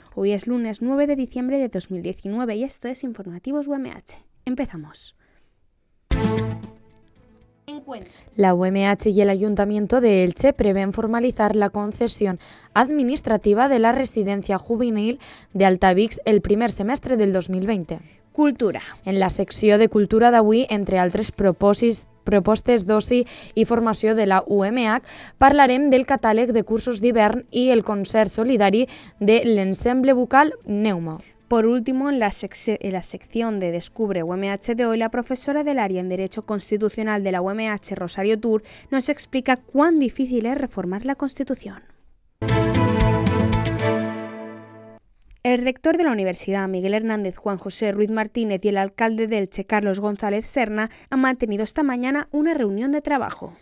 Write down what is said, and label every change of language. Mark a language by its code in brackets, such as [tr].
[es] Hoy es lunes 9 de diciembre de 2019 y esto es Informativos UMH. Empezamos. La UMH y el Ayuntamiento de Elche prevén formalizar la concesión administrativa de la residencia juvenil de Altavix el primer semestre del 2020. Cultura. [ca] En la secció de Cultura d'avui, entre altres propostes d'oci i formació de la UMH, parlarem del catàleg de cursos d'hivern i el concert solidari de l'ensemble vocal Neuma. [es] Por último, en la sección de Descubre UMH de hoy, la profesora del área en Derecho Constitucional de la UMH, Rosario Tur, nos explica cuán difícil es reformar la Constitución. El rector de la Universidad, Miguel Hernández, Juan José Ruiz Martínez, y el alcalde de Elche, Carlos González Serna, han mantenido esta mañana una reunión de trabajo.